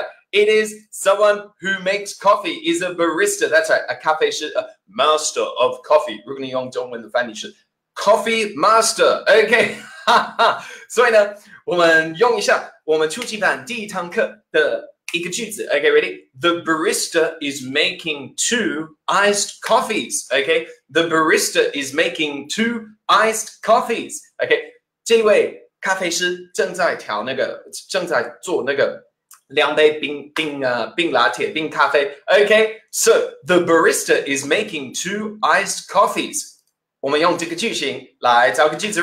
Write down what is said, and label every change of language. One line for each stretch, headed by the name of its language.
English: It is someone who makes coffee, is a barista. That's right, a
Chinese: 咖啡师,
English: a master of coffee.
Chinese: 如果你用中文的翻译是
English: coffee master.
Chinese: Okay, 所以呢，我们用一下我们初级班第一堂课的一个句子。
English: Okay, ready? The barista is making two iced coffees. Okay, the barista is making two iced coffees.
Chinese: Okay, 这位咖啡师正在做那个两杯冰拿铁冰咖啡。
English: Okay, so the barista is making two iced coffees.
Chinese: 我们用这个句型来找个句子。